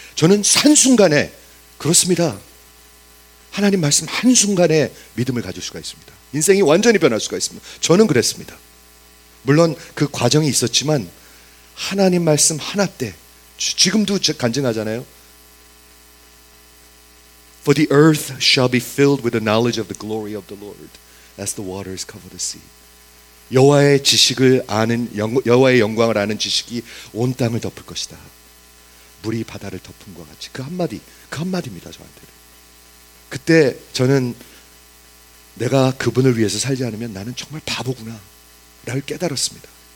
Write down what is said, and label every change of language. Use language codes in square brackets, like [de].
[ko] 저는 한순간에, 그렇습니다. 하나님 말씀 한순간에 믿음을 가질 수가 있습니다. 인생이 완전히 변할 수가 있습니다. 저는 그랬습니다. 물론 그 과정이 있었지만 하나님 말씀 하나 때, 지금도 간증하잖아요. [en] For the earth shall be filled with the knowledge of the glory of the Lord as the waters cover the sea. [ko] 여호와의 지식을 아는 여호와의 영광을 아는 지식이 온 땅을 덮을 것이다. 물이 바다를 덮음과 같이 그 한마디입니다 저한테는. 그때 저는 내가 그분을 위해서 살지 않으면 나는 정말 바보구나 라를 깨달았습니다.